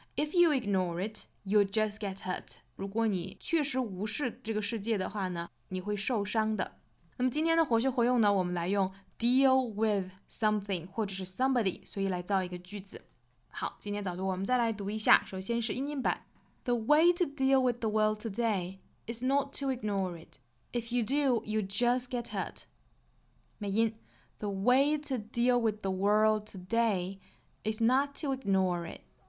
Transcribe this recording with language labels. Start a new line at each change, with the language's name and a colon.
English: If you ignore it, you just get hurt.
Chinese: 如果你确实无视这个世界的话呢，你会受伤的。那么今天的活学活用呢，我们来用
English: deal with something
Chinese: 或者是 somebody， 所以来造一个句子。好，今天早读我们再来读一下，首先是英音版。
English: The way to deal with the world today is not to ignore it. If you do, you just get hurt.
Chinese: 美音，
English: The way to deal with the world today is not to ignore it.